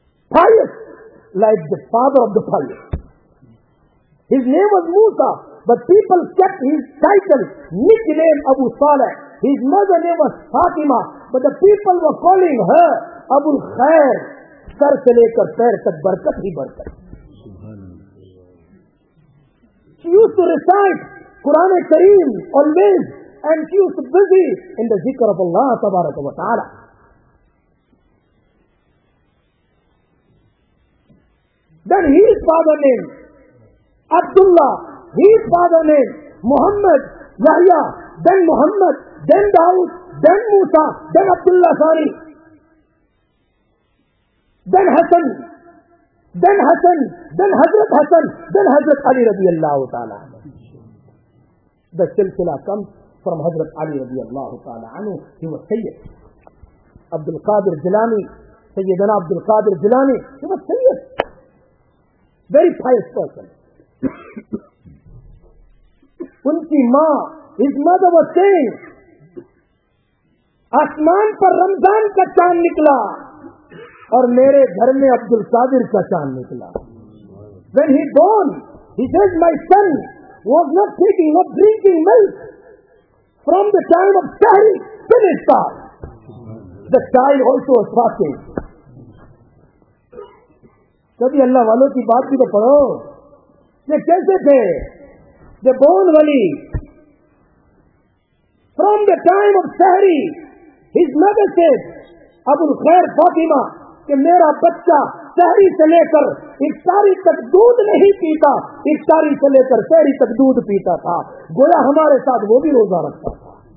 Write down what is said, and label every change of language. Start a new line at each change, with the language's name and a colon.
English: Pious like the father of the pious. His name was Musa, but people kept his title, nickname Abu Saleh. His mother name was Fatima, but the people were calling her Abu Khair.
Urdu: سر سے لے کر پیر تک برکت ہی برکت.
English: She used to recite Quran Kareem always and she used to busy in the zikr of Allah tabaraka wa ta'ala. Then his father name Abdullah, his father name Muhammad, Yahya, then Muhammad, then Daud, then Musa, then Abdullah Sari. Then Hassan, then Hassan, then Hazrat Hassan, then Hazrat Ali radiallahu ta'ala. The silsila comes from Hazrat Ali radiallahu ta'ala anhu. He was Sayyid. Abdul Qadir Jilani, Sayyidina Abdul Qadir Jilani, he was Sayyid. Very pious person.
Urdu: Unki ma,
English: his mother was saying,
Urdu: Asman par Ramzan ka chaand nikla. اور میرے گھر میں عبد القادر کا چاند نکلا.
English: When he born, he says, my son was not taking, not drinking milk from the time of Sahri till his father. The child also was fasting.
Urdu: کبھی اللہ والوں کی بات بھی تو پڑھو. یہ کیسے تھے؟
English: The born
Urdu: ولی, from the time of Sahri, his mother said, ابو الخیر فاطمہ, کہ میرا بچہ سحری سے لے کر افطاری تک دودھ نہیں پیتا, افطاری سے لے کر سحری تک دودھ پیتا تھا, گویا ہمارے ساتھ وہ بھی روزہ رکھتا تھا.